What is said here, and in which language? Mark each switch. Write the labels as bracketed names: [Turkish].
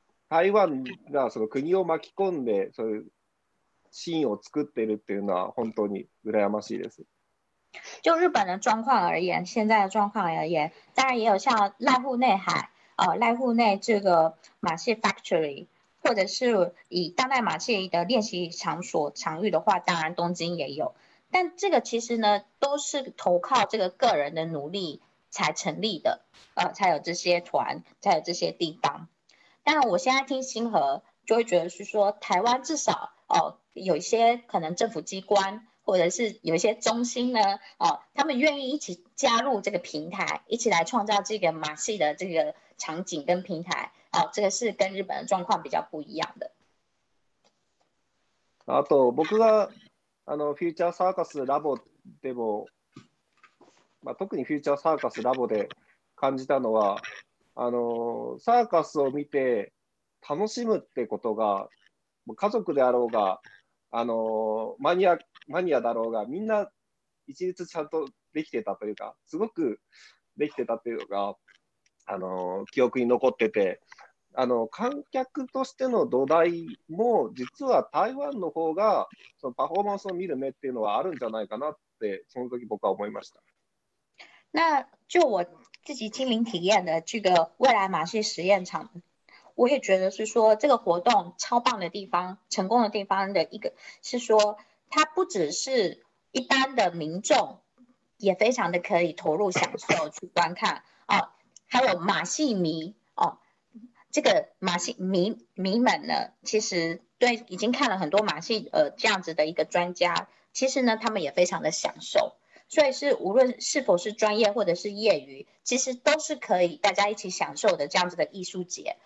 [Japanese] 台湾がその国を巻き込んでそういうシーンを作っているっていうのは本当に羨ましいです。 [Chinese] 就日本的状况而言，现在的状况而言，当然也有像濑户内海，濑户内这个马戏 factory， 或者是以当代马戏的练习场所场域的话，当然东京也有。但这个其实呢，都是投靠这个个人的努力才成立的，才有这些团，才有这些地方。但我现在听星河，就会觉得是说台湾至少有一些可能政府机关或者是有一些中心呢，他们愿意一起加入这个平台，一起来创造这个马戏的这个场景跟平台，这个是跟日本的状况比较不一样的。 [Japanese] あと僕があのフューチャーサーカスラボでも、まあ、特にフューチャーサーカスラボで感じたのは、あのサーカスを見て楽しむってことが、家族であろうが、マニアだろうが、みんな一律ちゃんとできてたというか、すごくできてたというのが、記憶に残ってて、観客としての土台も、実は台湾の方が、そのパフォーマンスを見る目っていうのはあるんじゃないかなって、その時僕は思いました。 [Chinese] 那、就我自己亲临体验的、这个未来马戏实验场。我也觉得是说这个活动超棒的地方，成功的地方的一个是说，它不只是一般的民众也非常的可以投入享受去观看哦，还有马戏迷哦，这个马戏迷们呢，其实对已经看了很多马戏这样子的一个专家，其实呢他们也非常的享受，所以是无论是否是专业或者是业余，其实都是可以大家一起享受的这样子的艺术节。